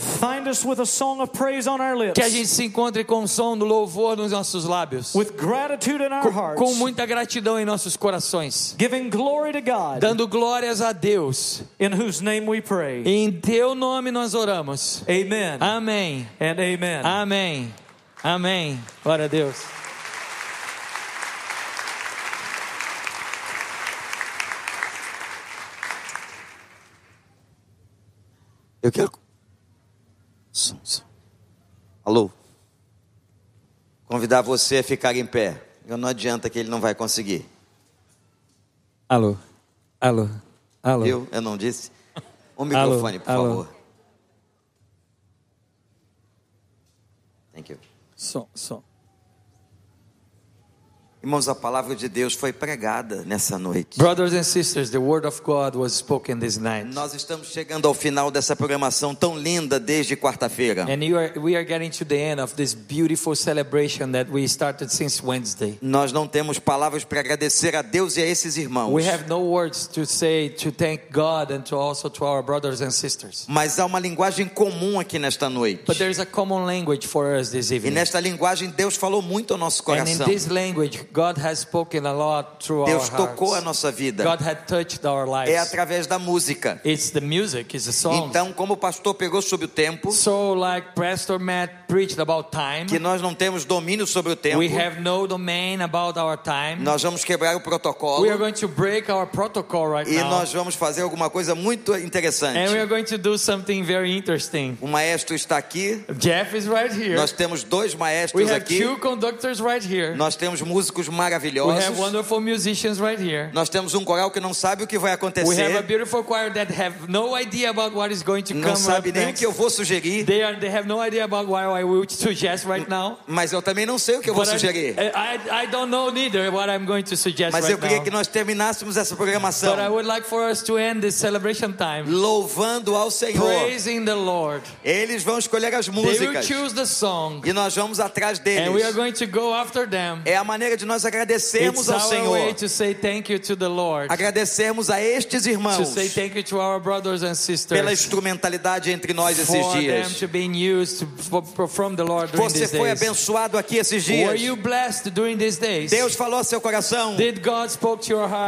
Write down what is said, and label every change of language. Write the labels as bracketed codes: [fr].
[en] Find us with a song of praise on our lips. [pt] Que a gente se encontre com um som do louvor nos nossos lábios. [en] With gratitude in our hearts. [pt] Com muita gratidão em nossos corações. [en] Giving glory to God. [pt] Dando glórias a Deus. [en] In whose name we pray. [pt] Em teu nome nós oramos. [en] Amen. [pt] Amém. [en] And amen. [pt] Amém. Amém. Glória a Deus. Eu quero Alô. Convidar você a ficar em pé. Não adianta que ele não vai conseguir. Alô. Alô. Alô. Eu não disse. Um microfone, alô, por alô. Favor. [en] Thank you. [pt] Só. Irmãos, a palavra de Deus foi pregada nessa noite. [en] Brothers and sisters, the word of God was spoken this night. [pt] Nós estamos chegando ao final dessa programação tão linda desde quarta-feira. [en] And we are getting to the end of this beautiful celebration that we started since Wednesday. [pt] Nós não temos palavras para agradecer a Deus e a esses irmãos. [en] We have no words to say to thank God and to also to our brothers and sisters. [pt] Mas há uma linguagem comum aqui nesta noite. [en] But there is a common language for us this evening. [pt] E nesta linguagem Deus falou muito ao nosso coração. [en] And in this language God has spoken a lot through [pt] Deus [en] our hearts. [pt] Deus tocou a nossa vida. [en] God had touched our lives. [pt] É através da música. [en] It's the music, it's the song. [pt] Então, como o pastor pegou sobre o tempo, [en] so like Pastor Matt preached about time, [pt] que nós não temos domínio sobre o tempo, [en] we have no domain about our time, [pt] nós vamos quebrar o protocolo, [en] we are going to break our protocol right [pt] e [en] now, [pt] e nós vamos fazer alguma coisa muito interessante. [en] And we are going to do something very interesting. [pt] O maestro está aqui. [en] Jeff is right here. [pt] Nós temos dois maestros aqui. [en] We have two conductors right here. [pt] Nós temos músicos maravilhosos. [en] We have wonderful musicians right here. [pt] Nós temos um coral que não sabe o que vai acontecer. [en] We have a beautiful choir that have no idea about what is going to [pt] não [en] come up next. [pt] Não sabe nem o que eu vou sugerir. [en] They have no idea about what I will suggest right now. [pt] Mas eu também não sei o que eu vou sugerir. [en] I don't know neither what I'm going to suggest [pt] Mas [en] right [pt] eu queria [en] now. [pt] Que nós terminássemos essa programação. [en] But I would like for us to end this celebration time. [pt] Louvando ao Senhor. [en] Praising the Lord. [pt] Eles vão escolher as músicas. [en] They will choose the song. [pt] E nós vamos atrás deles. [en] And we are going to go after them. [pt] É a maneira de nós agradecermos ao Senhor. [en] Way to say thank you to the Lord. [pt] Agradecermos a estes irmãos. [en] To say thank you to our brothers and sisters. [pt] Pela instrumentalidade entre nós esses dias. [en] For them to be used from the Lord during these days. [pt] Você foi abençoado aqui esses dias. [en] Were you blessed during these days? [pt] Deus falou ao seu coração. [en] Did God spoke to your heart?